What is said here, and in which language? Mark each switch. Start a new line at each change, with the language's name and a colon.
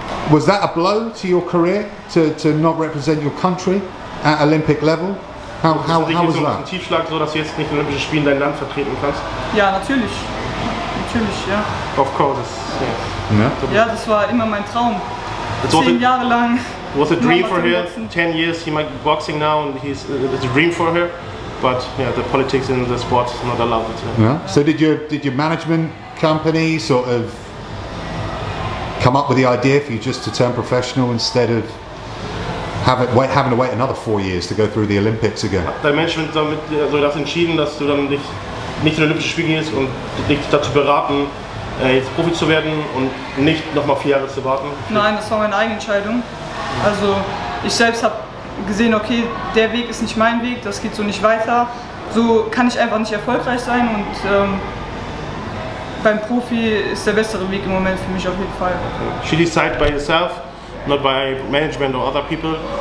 English: Was that a blow to your career, to not represent your country at Olympic level? How was that?
German: Ein Tiefschlag, so dass du jetzt nicht Olympische Spiele in dein Land vertreten kannst? Ja, natürlich, ja.
English: Of course, yes.
German: Yeah. Ja, das war immer mein Traum. 10 Jahre lang.
English: Was a dream for her. 10 years, he might be boxing now, and he's it's a dream for her. But yeah, the politics in the sport is not allowed it. Yeah. So did your management company sort of come up with the idea for you just to turn professional instead of having to wait another 4 years to go through the Olympics again?
German: Dein Management damit so das entschieden, dass du dann dich nicht in Olympische Spiele gehst und dich dazu beraten, jetzt Profi zu werden und nicht nochmal 4 Jahre zu warten? Nein, das war meine eigene Entscheidung. Also ich selbst habe gesehen, okay, der Weg ist nicht mein Weg, das geht so nicht weiter. So kann ich einfach nicht erfolgreich sein und beim Profi ist der bessere Weg im Moment für mich auf jeden Fall.
English: She decided by herself, not by management or other people.